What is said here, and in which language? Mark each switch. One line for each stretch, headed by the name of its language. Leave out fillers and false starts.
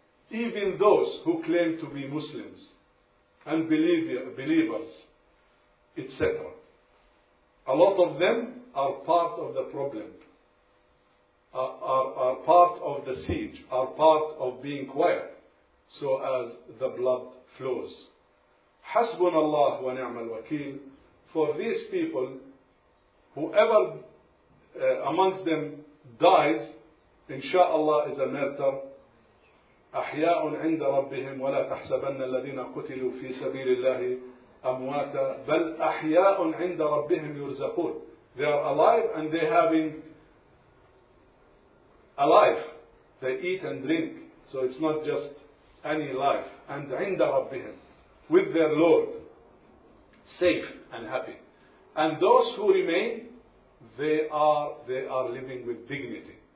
English: Even those who claim to be Muslims and believers, etc., a lot of them are part of the problem, are part of the siege, are part of being quiet so as the blood flows.
Arabic: حسبنا الله ونعم الوكيل,
English: for these people, whoever amongst them dies, inshallah, is a martyr.
Arabic: أحياء عند ربهم ولا تحسبن الذين قتلوا في سبيل الله أمواتا بل أحياء عند ربهم يرزقون.
English: They are alive and they having a life. They eat and drink. So it's not just any life. And
Arabic: عند ربهم,
English: with their Lord, safe and happy. And those who remain, they are living with dignity.